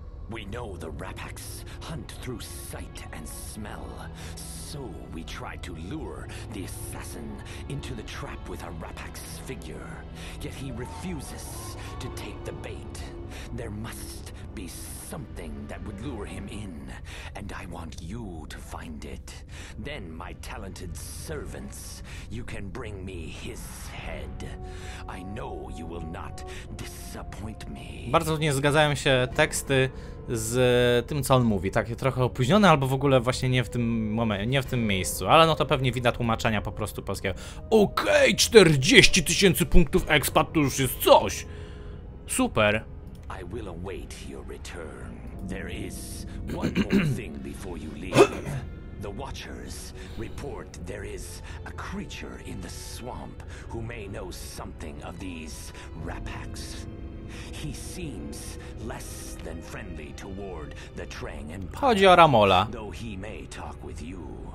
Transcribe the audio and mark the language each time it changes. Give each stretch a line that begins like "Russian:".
English: We know the Rapax hunt through sight and smell, so we tried to lure the assassin into the trap with a Rapax figure, yet he refuses to take the bait. There must be something that would lure him in, and I want you to find it. Then, my talented servants, you can bring me his head. I know you will not disappoint me.
Polish: Bardzo nie zgadzają się teksty z tym, co on mówi. Takie trochę opóźnione, albo w ogóle właśnie nie w tym momencie, nie w tym miejscu. Ale no to pewnie wina tłumaczenia po prostu polskiego. Okej, 40 tysięcy punktów expa, to już jest coś! Super!
English: I will await your return. There is one more thing before you leave. The Watchers report there is a creature in the swamp who may know something of these Rapax. He seems less than friendly toward the Trang Empire, though he may talk with you.